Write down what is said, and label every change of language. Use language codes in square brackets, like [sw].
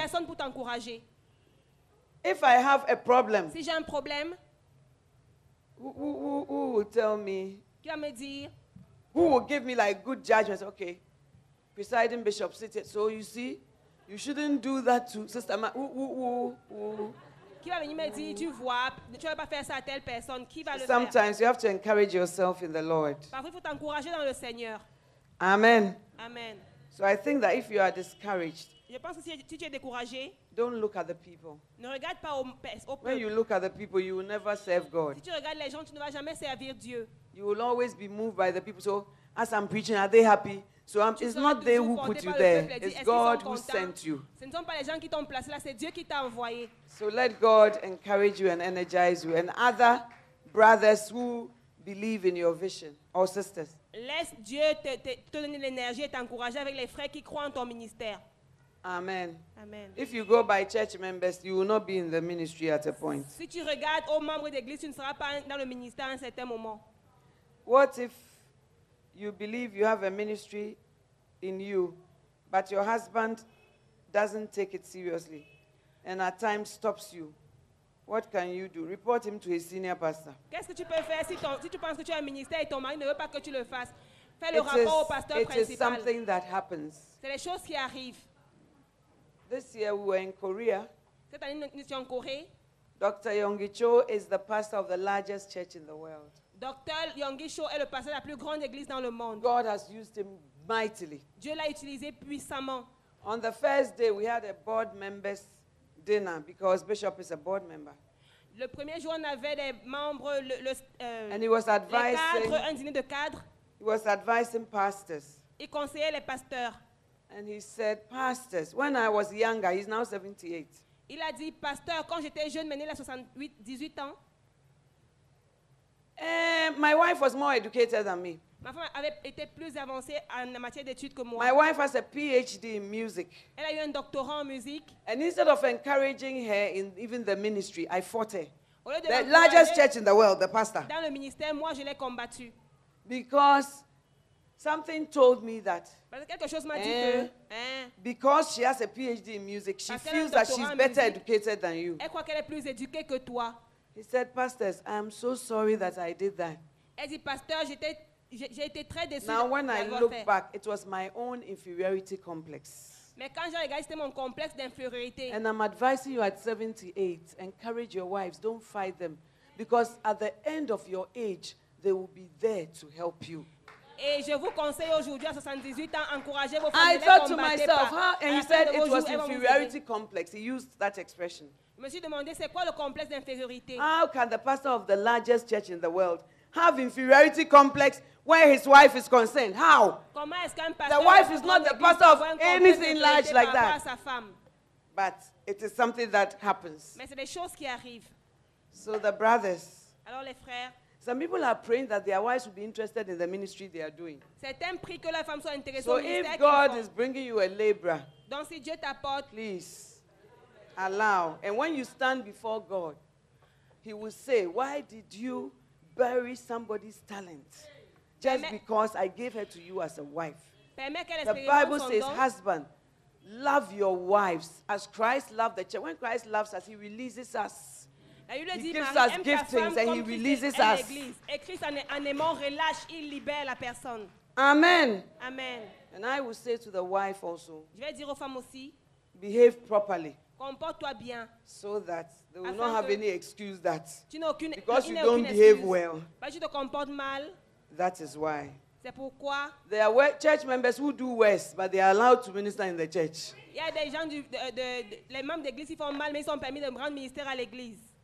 [fr] Personne pour t'encourager. [en] If I have a problem, [fr] si j'ai un problème, [en] who will tell me? [fr] Qui va me dire? [en] Who will give me like good judgment? Okay, presiding bishop, sit here. So you see, you shouldn't do that to Sister Ma. [fr] Qui va venir me dire, tu vois, tu ne vas pas faire ça à telle personne. Qui va le faire? [en] Sometimes you have to encourage yourself in the Lord. [fr] Parfois, il faut t'encourager dans le Seigneur. Amen. Amen. [en] So I think that if you are discouraged, [fr] je pense que si tu es découragé, [en] don't look at the people. [fr] Ne regarde pas aux personnes. [en] When you look at the people, you will never serve God. [fr] Si tu regardes les gens, tu ne vas jamais servir Dieu. [en] You will always be moved by the people. So as I'm preaching, are they happy? So it's not they who put you there. It's God who sent you. [fr] Ce ne sont pas les gens qui t'ont placé là, c'est Dieu qui t'a envoyé. [en] So let God encourage you and energize you and other brothers who believe in your vision or sisters. [fr] Laisse Dieu te donner l'énergie et t'encourager avec les frères qui croient en ton ministère. Amen. Amen. [en] If you go by church members, you will not be in the ministry at a point. [fr] Si tu regardes aux membres d'église, tu ne seras pas dans le ministère à un certain moment. [en] What if you believe you have a ministry in you, but your husband doesn't take it seriously and at times stops you? What can you do? Report him to his senior pastor. [fr] Qu'est-ce que tu peux faire si tu penses que tu as un ministère et ton mari ne veut pas que tu le fasses? Fais le rapport au pasteur principal. [en] It is something that happens. [fr] C'est les choses qui arrivent. [en] This year we were in Korea. [fr] Cette année, nous étions en Corée. [en] Dr. Yonggi Cho is the pastor of the largest church in the world. [fr] Dr. Yonggi Cho est le pasteur de la plus grande église dans le monde. [en] God has used him mightily. [fr] Dieu l'a utilisé puissamment. [en] On the first day, we had a board members dinner because Bishop is a board member. [fr] Le premier jour, on avait des membres, [en] and he was advising, [fr] les cadres, un dîner de cadres. [en] He was advising pastors. [fr] Il conseillait les pasteurs. [en] And he said, pastors, when I was younger, he's now 78. [fr] Il a dit, pasteur, quand j'étais jeune, maintenant il a 68, 18 ans. [en] My wife wife was more educated than me. [fr] Ma femme avait été plus avancée en matière d'études que moi. [en] My wife has a PhD in music. [fr] Elle a eu un doctorat en musique. [en] And instead of encouraging her in even the ministry, I fought her. The largest church in the world, the pastor. [fr] Dans le ministère, moi, je l'ai combattu. [en] Because something told me that. [fr] Parce que quelque chose m'a dit que. [en] Because she has a PhD in music, she feels that she's better educated than you. [fr] Elle croit qu'elle est plus éduquée que toi. [en] He said, "Pastors, I'm so sorry that I did that." [fr] Elle dit, pasteur, j'ai été très déçu. [en] Now, when I look back, it was my own inferiority complex. [fr] Mais quand j'ai regardé, c'était mon complexe d'infériorité. [en] And I'm advising you at 78, encourage your wives, don't fight them, because at the end of your age, they will be there to help you. [fr] Et je vous conseille aujourd'hui à 78 ans, encouragez vos [en] femmes. I thought to myself, how? And he said it was inferiority complex. He used that expression. [fr] Je me suis demandé, c'est quoi le complexe d'infériorité? [en] How can the pastor of the largest church in the world have inferiority complex where his wife is concerned? How? The wife is not the pastor of anything large like that. But it is something that happens. [fr] Mais c'est des choses qui arrivent. [en] So the brothers. [fr] Alors les frères. [en] Some people are praying that their wives will be interested in the ministry they are doing. [fr] Certains prient que leurs femmes soient intéressées. [en] So if God is bringing you a laborer, [fr] donc si Dieu t'apporte, [en] please allow. And when you stand before God, He will say, "Why did you bury somebody's talent just because I gave her to you as a wife?" The Bible says, "Husband, love your wives as Christ loved the church." When Christ loves us, He releases us. He gives us giftings and He releases us. [fr] Et Christ en aimant relâche, il libère la personne. Amen. Amen. [en] And I will say to the wife also, [fr] je vais dire aux femmes aussi, [en] behave properly. [fr] Comporte-toi bien. [en] So that they will not have any excuse that [fr] tu n'as aucune, [en] because you don't behave well. [fr] Parce que tu te comportes mal. [en] That is why. [fr] C'est pourquoi. [en] There are church members who do worse, but they are allowed to minister in the church. [fr] Il y a des gens, les membres d'église qui font mal, mais ils sont permis de rendre ministère à l'église.